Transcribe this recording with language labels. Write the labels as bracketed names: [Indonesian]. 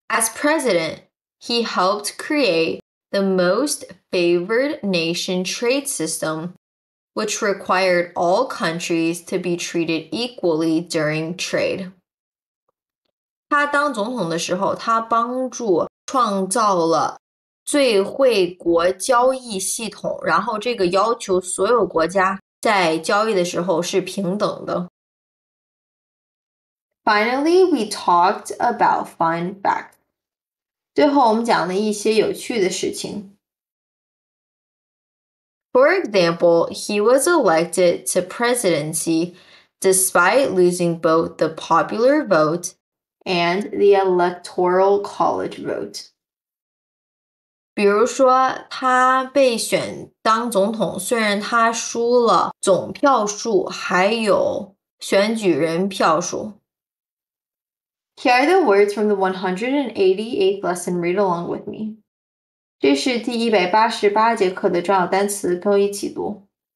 [English] president, he helped create the most favored nation trade system, which required all countries to be treated equally during trade. [Chinese] 他当总统的时候，他帮助创造了 最惠国交易系统，然后这个要求所有国家在交易的时候是平等的。 [English] Finally, we talked about fun facts. [Chinese] 最后我们讲了一些有趣的事情。 [English] For example, he was elected to presidency despite losing both the popular vote and the electoral college vote. [Chinese] 比如说他被选当总统, 虽然他输了总票数, 还有选举人票数。 [English] Here are the words from the 188th lesson. Read along with me. [Chinese] 这是第188节课的重要单词，跟我一起读。